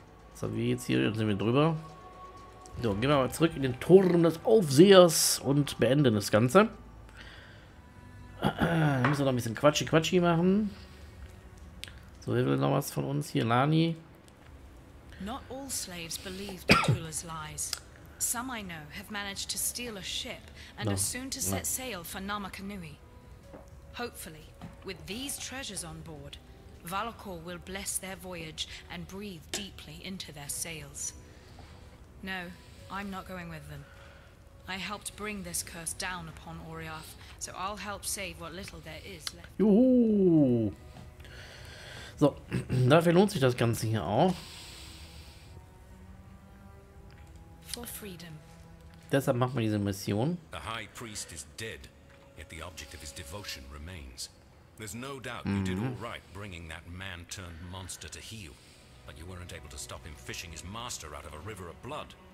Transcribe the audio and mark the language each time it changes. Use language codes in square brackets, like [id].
[de] Jetzt haben wir jetzt hier, jetzt sind wir drüber. So, gehen wir mal zurück in den Turm des Aufsehers und beenden das Ganze. Müssen wir noch ein bisschen Quatschi-Quatschi machen. So, wer will noch was von uns hier? Lani. [en] Not all slaves believed Tula's lies. Some I know have managed to steal a ship and are soon to set sail for Namakanui. Hopefully, with these treasures on board, Valakor will bless their voyage and breathe deeply into their sails. No, I'm not going with them. I helped bring this curse down upon Oriath, so I'll help save what little there is left. [de] Juhu! So, dafür lohnt sich das Ganze hier auch. [en] For freedom. [de] Deshalb macht man diese Mission. [en] The High Priest is dead, yet the object of his devotion remains. There's no doubt you did all right bringing that man-turned monster to heel. But you weren't able to stop him fishing his master out of a river of blood.